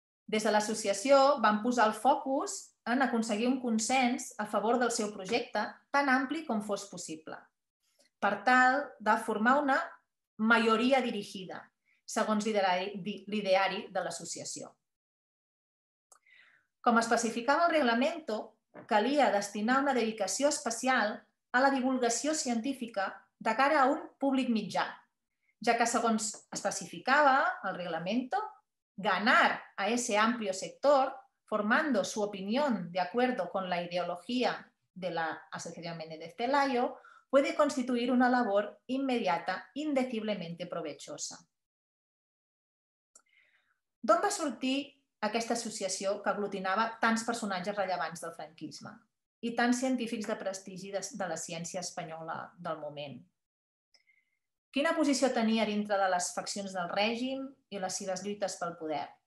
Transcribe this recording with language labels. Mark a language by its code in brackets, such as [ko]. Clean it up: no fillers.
[ca] Des de l'associació van posar el focus en aconseguir un consens a favor del seu projecte tan ampli com fos possible, per tal de formar una majoria dirigida, segons l'ideari de l'associació. Com especificava el reglamento, calia destinar una dedicació especial a la divulgació científica de cara a un públic mitjà, ja que, segons especificava el reglamento, [es] ganar a ese amplio sector formando su opinión de acuerdo con la ideología de la Asociación Méndez Pelayo puede constituir una labor inmediata indeciblemente provechosa. [ca] D'on va sortir aquesta associació que aglutinava tants personatges rellevants del franquisme i tants científics de prestigi de la ciència espanyola del moment? Quina posició tenia dintre de les faccions del règim i les seves lluites pel poder?